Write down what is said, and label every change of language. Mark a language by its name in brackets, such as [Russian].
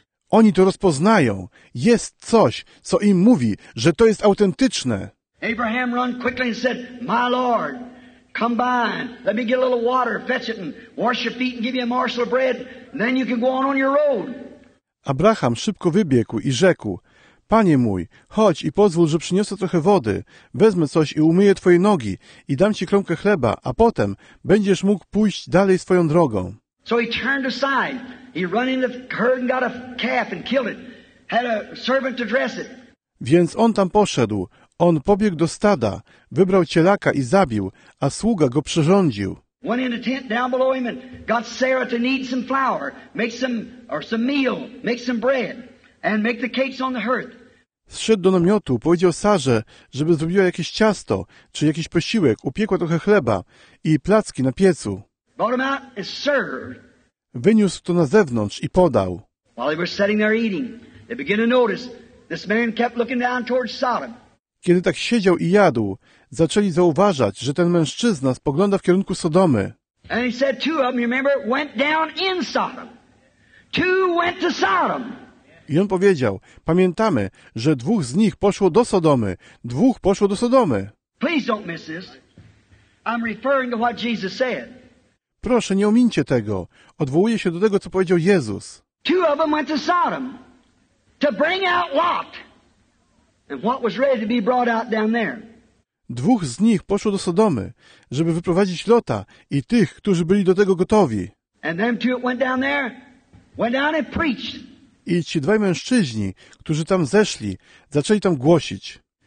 [Polish] Oni to rozpoznają. Jest coś, co im mówi, że to jest autentyczne. [English] Abraham run quickly and said, my Lord, come by, let me get a little water, fetch it and wash your feet and give you a morsel of bread, and then you can go on your road. [Polish] Abraham szybko wybiegł i rzekł, Panie mój, chodź i pozwól, że przyniosę trochę wody. Wezmę coś i umyję Twoje nogi i dam Ci kromkę chleba, a potem będziesz mógł pójść dalej swoją drogą. [English] So he turned aside. He ran into the herd and got a calf and killed it. Had a servant to dress it. [Polish] Więc on tam poszedł. On pobiegł do stada, wybrał cielaka i zabił, a sługa go przyrządził. [English] Went in the tent down below him and got Sarah to knead some flour, make some meal, make some bread. And make the cakes on the hearth. [Polish] Zszedł do namiotu, powiedział Sarze, żeby zrobiła jakieś ciasto, czy jakiś posiłek, upiekła trochę chleba i placki na piecu. [English] Brought them out and served. [Polish] Wyniósł to na zewnątrz i podał. [English] While they were sitting there eating, they began to notice this man kept looking down towards Sodom. [Polish] Kiedy tak siedział i jadł, zaczęli zauważać, że ten mężczyzna spogląda w kierunku Sodomy. [English] And he said two of them, you remember, went down in Sodom. Two went to Sodom. [Polish] I on powiedział, pamiętamy, że dwóch z nich poszło do Sodomy. Dwóch poszło do Sodomy. [English] Please don't miss this. I'm referring to what Jesus said. [Polish] Proszę, nie omińcie tego. Odwołuję się do tego, co powiedział Jezus. [English] Two of them went to Sodom to bring out Lot and what was ready to be brought out down there. [Polish] Dwóch z nich poszło do Sodomy, żeby wyprowadzić Lota i tych, którzy byli do tego gotowi. [English] And them two went down there, went down and preached. [Polish] I ci dwaj mężczyźni, którzy tam zeszli, zaczęli tam głosić.